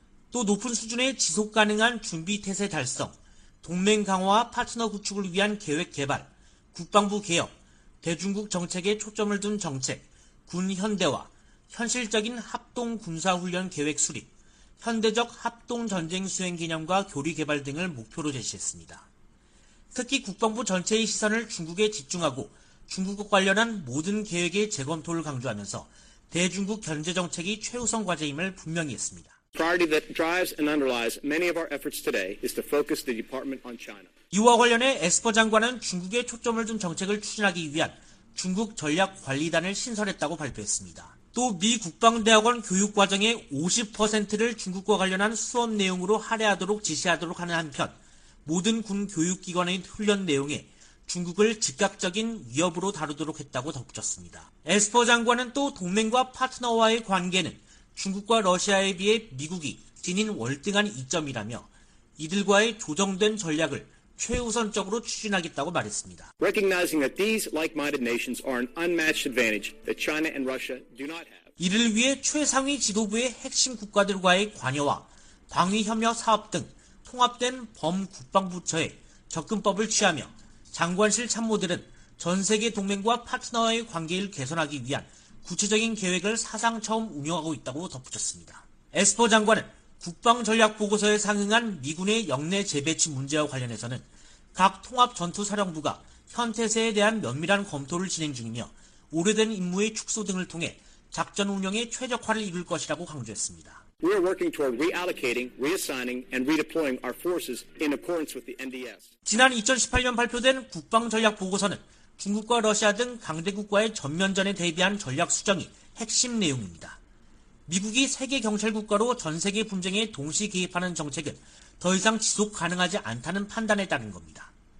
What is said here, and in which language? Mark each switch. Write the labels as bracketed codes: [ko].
[ko] 또 높은 수준의 지속가능한 준비태세 달성, 동맹 강화와 파트너 구축을 위한 계획 개발, 국방부 개혁, 대중국 정책에 초점을 둔 정책, 군 현대화, 현실적인 합동군사훈련 계획 수립, 현대적 합동전쟁수행개념과 교리개발 등을 목표로 제시했습니다. 특히 국방부 전체의 시선을 중국에 집중하고 중국과 관련한 모든 계획의 재검토를 강조하면서 대중국 견제정책이 최우선 과제임을 분명히 했습니다. [en] Priority that drives and underlies many of our efforts today is to focus the department on China. [ko] 이와 관련해 에스퍼 장관은 중국에 초점을 둔 정책을 추진하기 위한 중국 전략 관리단을 신설했다고 발표했습니다. 또 미 국방대학원 교육 과정의 50%를 중국과 관련한 수업 내용으로 할애하도록 지시하도록 하는 한편 모든 군 교육기관의 훈련 내용에 중국을 즉각적인 위협으로 다루도록 했다고 덧붙였습니다. 에스퍼 장관은 또 동맹과 파트너와의 관계는 중국과 러시아에 비해 미국이 지닌 월등한 이점이라며 이들과의 조정된 전략을 최우선적으로 추진하겠다고 말했습니다. [en] Recognizing that these like-minded nations are an unmatched advantage that China and Russia do not have. [ko] 이를 위해 최상위 지도부의 핵심 국가들과의 관여와 방위 협력 사업 등 통합된 범국방부처의 접근법을 취하며 장관실 참모들은 전 세계 동맹과 파트너와의 관계를 개선하기 위한 구체적인 계획을 사상 처음 운영하고 있다고 덧붙였습니다. 에스퍼 장관은 국방전략보고서에 상응한 미군의 영내 재배치 문제와 관련해서는 각 통합전투사령부가 현태세에 대한 면밀한 검토를 진행 중이며 오래된 임무의 축소 등을 통해 작전 운영에 최적화를 이룰 것이라고 강조했습니다. [en] We are working toward reallocating, reassigning, and redeploying our forces in accordance with the NDS. [ko] 지난 2018년 발표된 국방전략보고서는 중국과 러시아 등 강대국과의 전면전에 대비한 전략 수정이 핵심 내용입니다. 미국이 세계 경찰국가로 전 세계 분쟁에 동시 개입하는 정책은 더 이상 지속 가능하지 않다는 판단에 따른 겁니다.